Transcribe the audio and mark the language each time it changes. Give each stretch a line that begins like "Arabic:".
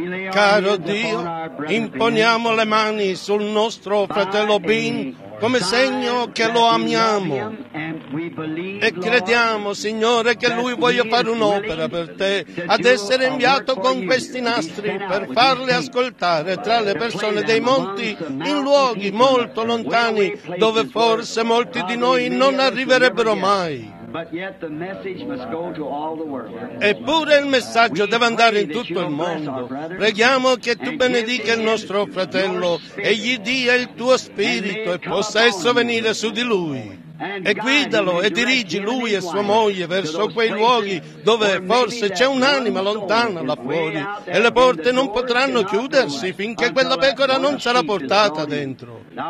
Italian: Caro Dio, imponiamo le mani sul nostro fratello Ben come segno che lo amiamo e crediamo, Signore, che lui voglia fare un'opera per te, ad essere inviato con questi nastri per farli ascoltare tra le persone dei monti, in luoghi molto lontani dove forse molti di noi non arriverebbero mai.
English: But yet the message must go to all the world.
Italian: Eppure il messaggio deve andare in tutto il mondo. Preghiamo che tu benedica il nostro fratello e gli dia il tuo spirito e possa esso venire su di lui. E guidalo e dirigi lui e sua moglie verso quei luoghi dove forse c'è un'anima lontana là fuori e le porte non potranno chiudersi finché quella pecora non sarà portata dentro.